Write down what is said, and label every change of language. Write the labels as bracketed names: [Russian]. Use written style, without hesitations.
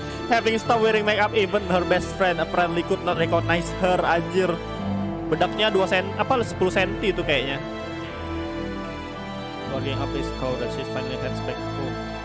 [English] Having stopped wearing makeup, even her best friend apparently could not recognize her. [Indonesian] Anjir, bedaknya 10 cm itu kayaknya. [English] Walking up is cold and she finally heads back home.